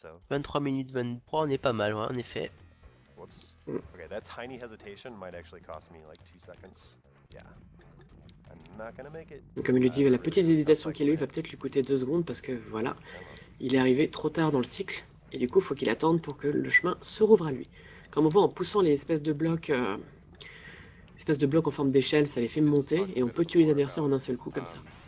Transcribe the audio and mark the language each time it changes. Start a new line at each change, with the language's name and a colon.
French: 23 minutes 23, on est pas mal, ouais, en effet.
English: Okay, that tiny hesitation might actually cost me like 2 seconds. Yeah, I'm not gonna make it.
French: Comme il le dit, la petite hésitation qu'il a eue va peut-être lui coûter 2 secondes parce que voilà, il est arrivé trop tard dans le cycle et du coup, faut qu'il attende pour que le chemin se rouvre à lui. Comme on voit, en poussant les espèces de blocs en forme d'échelle, ça les fait monter et on peut tuer les adversaires en un seul coup comme ça.